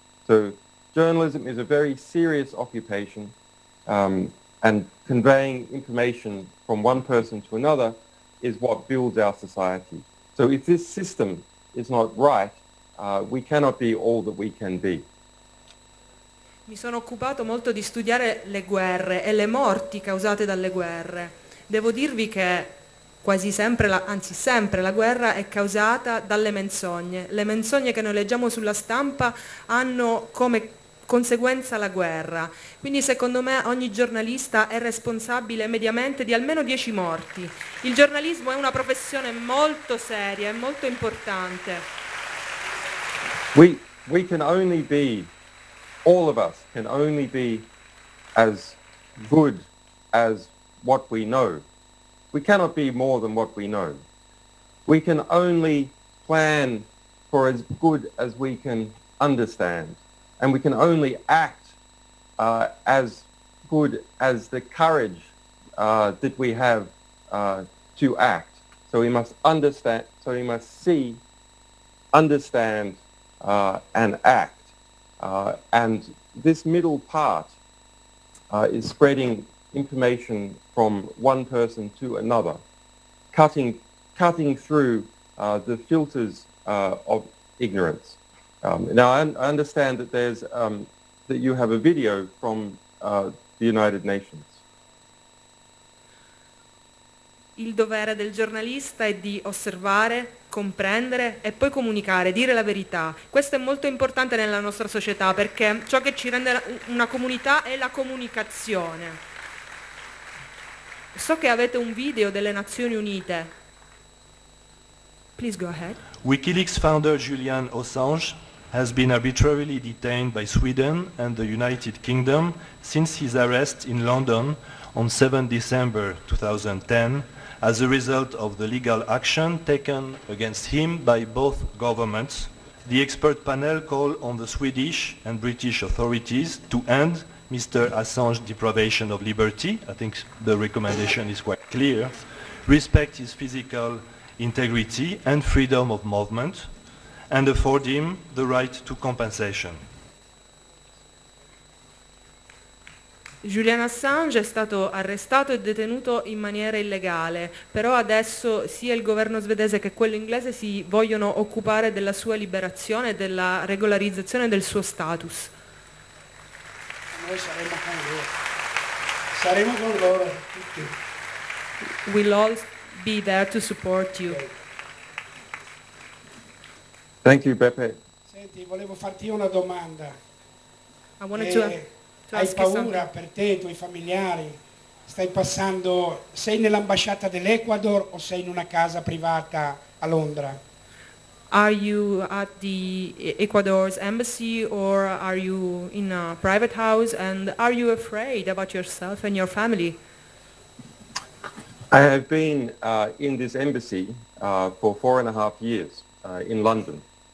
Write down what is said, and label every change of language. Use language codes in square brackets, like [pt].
[en] So journalism is a very serious occupation, and conveying information from one person to another is what builds our society. So if this system is not right, we cannot be all that we can be. [it] Mi sono occupato molto di studiare le guerre e le morti causate dalle guerre. Devo dirvi che quasi sempre, sempre la guerra è causata dalle menzogne. Le menzogne che noi leggiamo sulla stampa hanno come conseguenza la guerra. Quindi secondo me ogni giornalista è responsabile mediamente di almeno 10 morti. Il giornalismo è una professione molto seria e molto importante. [en] We can only be, all of us can only be as good as what we know. We cannot be more than what we know. We can only plan for as good as we can understand. And we can only act as good as the courage that we have to act. So we must understand, so we must see, understand, and act. And this middle part is spreading information from one person to another, cutting through the filters of ignorance. Now, I understand that there's that you have a video from the United Nations. [it] Il dovere del giornalista è di osservare, comprendere e poi comunicare, dire la verità. Questo è molto importante nella nostra società perché ciò che ci rende una comunità è la comunicazione. So che avete un video delle Nazioni Unite. [en] Please go ahead. WikiLeaks founder Julian Assange has been arbitrarily detained by Sweden and the United Kingdom since his arrest in London on 7 December 2010 as a result of the legal action taken against him by both governments. The expert panel called on the Swedish and British authorities to end Mr. Assange's deprivation of liberty. I think the recommendation is quite clear. Respect his physical integrity and freedom of movement, and afford him the right to compensation. [it] Julian Assange è stato arrestato e detenuto in maniera illegale, però adesso sia il governo svedese che quello inglese si vogliono occupare della sua liberazione e della regolarizzazione del suo status. Noi saremo con loro. Saremo con loro, tutti. [en] We'll all be there to support you. Okay. Thank you, Beppe. [it] Senti, volevo farti una domanda. [en] I wanted to ask [it] hai paura per te, i tuoi familiari? Stai passando, sei nell'ambasciata dell'Ecuador o sei in una casa privata a Londra? [en] Are you at the Ecuador's embassy or are you in a private house, and are you afraid about yourself and your family? I have been in this embassy for 4.5 years. In London.